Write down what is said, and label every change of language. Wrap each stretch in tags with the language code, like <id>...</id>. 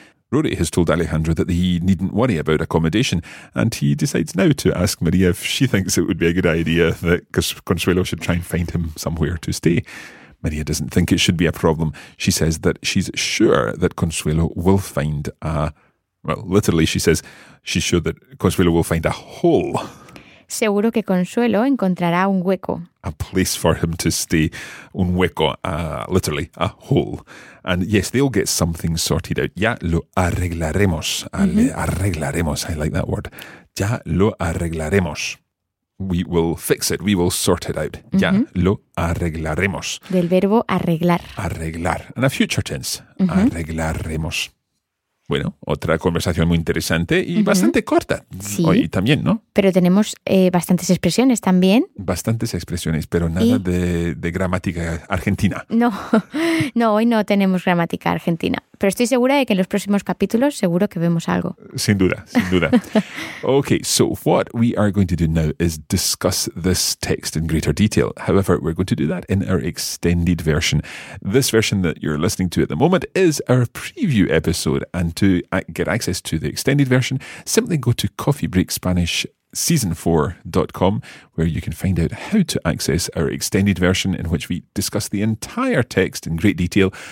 <en>Rory has told Alejandro that he needn't worry about accommodation. And he decides now to ask Maria if she thinks it would be a good idea that Consuelo should try and find him somewhere to stay. Maria doesn't think it should be a problem. She says that she's sure that Consuelo will find a... Well, literally, she says she's sure that Consuelo will find a hole...</en> <es>Seguro que Consuelo encontrará un hueco.</es> <en>A place for him to stay.</en> <es>Un hueco,</es> <en>literally, a hole. And yes, they'll get something sorted out.</en> <es>Ya lo arreglaremos.</es> <en>Arreglaremos, I like that word.</en> <es>Ya lo arreglaremos.</es> <en>We will fix it, we will sort it out.</en> <es>Ya lo arreglaremos. Del verbo arreglar.</es> <en>Arreglar, in a future tense. Arreglaremos.</en> <es>Bueno, otra conversación muy interesante y bastante corta sí, hoy también, ¿no? Pero tenemos bastantes expresiones también. Bastantes expresiones, pero nada de gramática argentina. No, hoy no tenemos gramática argentina. Pero estoy segura de que en los próximos capítulos seguro que vemos algo. Sin duda, sin duda.</es> <en>Okay, so what we are going to do now is discuss this text in greater detail. However, we're going to do that in our extended version. This version that you're listening to at the moment is our preview episode. And to get access to the extended version, simply go to coffeebreakspanishseason4.com, where you can find out how to access our extended version in which we discuss the entire text in great detail.</en>